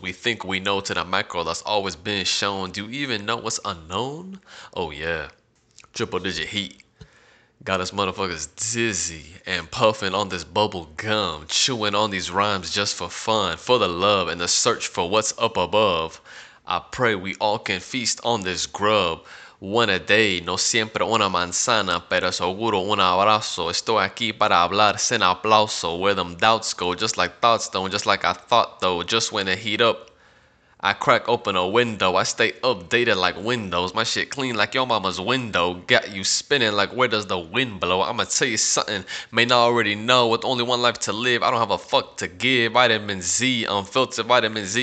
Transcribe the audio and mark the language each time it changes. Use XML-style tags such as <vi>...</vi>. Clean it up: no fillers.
<en>We think we know to the macro that's always been shown. Do you even know what's unknown? Oh, yeah. Triple digit heat. Got us motherfuckers dizzy and puffing on this bubble gum. Chewing on these rhymes just for fun, for the love and the search for what's up above. I pray we all can feast on this grub. One a day,</en> <es>no siempre una manzana, pero seguro un abrazo. Estoy aquí para hablar sin aplauso.</es> <en>Where them doubts go, just like thoughts don't, just like I thought though. Just when it heat up, I crack open a window. I stay updated like Windows. My shit clean like your mama's window. Got you spinning like where does the wind blow? I'ma tell you something, may not already know. With only one life to live, I don't have a fuck to give. Vitamin Z, unfiltered vitamin Z.</en>